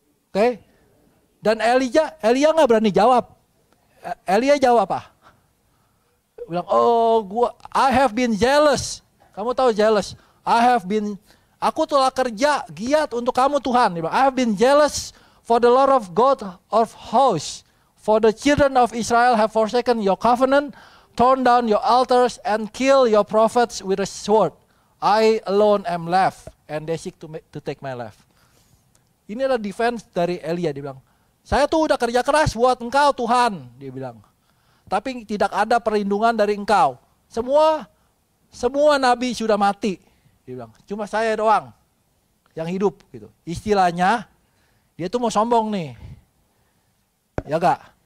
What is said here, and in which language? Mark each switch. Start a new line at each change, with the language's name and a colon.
Indonesian: Oke? Okay? Dan Elia nggak berani jawab. Elia jawab apa? Bilang,
English: I have been jealous.
Indonesian: Kamu tahu
English: jealous?
Indonesian: Aku telah kerja giat untuk kamu Tuhan.
English: I have been jealous for the Lord of God of hosts, for the children of Israel have forsaken your covenant, torn down your altars, and killed your prophets with a sword. I alone am left, and they seek to take my life.
Indonesian: Ini adalah defense dari Elia. Dia bilang, saya tuh udah kerja keras buat engkau Tuhan. Dia bilang, tapi tidak ada perlindungan dari engkau. Semua nabi sudah mati. Dia bilang, cuma saya doang yang hidup gitu. Istilahnya dia tuh mau sombong nih. Ya enggak?